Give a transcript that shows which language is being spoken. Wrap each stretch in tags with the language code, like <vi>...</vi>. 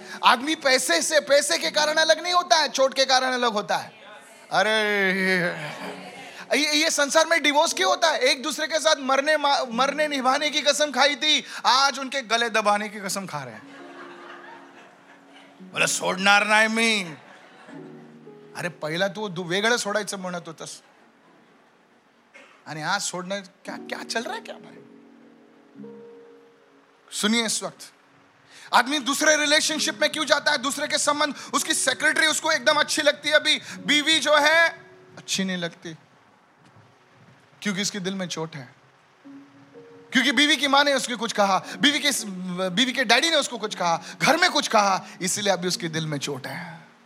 <hi>आदमी पैसे से, पैसे के कारण अलग नहीं होता है, चोट के कारण अलग होता है. अरे ये संसार में डिवोर्स क्यों होता है? एक दूसरे के साथ मरने निभाने की कसम खाई थी, आज उनके गले दबाने की कसम खा रहे हैं.</hi> <mr>बोले सोडणार नाही मी. अरे पहिला तू वेगळं सोडायचं म्हणत होतस आणि आज सोडणार,</mr> <hi>क्या क्या चल रहा है क्या भाई? सुनिए इस वक्त आदमी दूसरे रिलेशनशिप में क्यों जाता है, दूसरे के संबंध. उसकी सेक्रेटरी उसको एकदम अच्छी लगती है, अभी बीवी जो है अच्छी नहीं लगती, क्योंकि उसके दिल में चोट है. क्योंकि बीवी की माँ ने उसको कुछ कहा, बीवी के डैडी ने उसको कुछ कहा, घर में कुछ कहा, इसलिए अभी उसके दिल में चोट है.</hi>